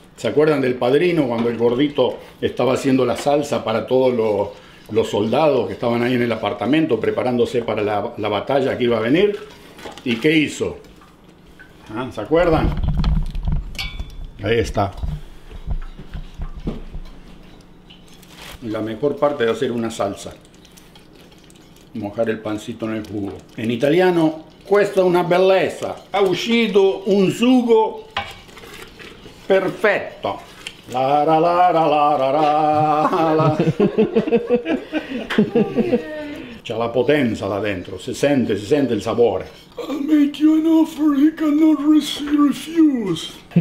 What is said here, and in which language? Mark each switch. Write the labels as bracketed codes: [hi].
[es] ¿Se acuerdan del Padrino cuando el gordito estaba haciendo la salsa para todos los soldados que estaban ahí en el apartamento preparándose para la batalla que iba a venir? ¿Y qué hizo? ¿Ah? ¿Se acuerdan? Ahí está. La mejor parte de hacer una salsa. Mojar el pancito en el jugo. En italiano, [it] questa una bellezza. Ha uscito un sugo perfetto. La la la la la la la la. C'è la potenza là dentro, si sente il sapore. [en] I'll make you an offer he cannot refuse.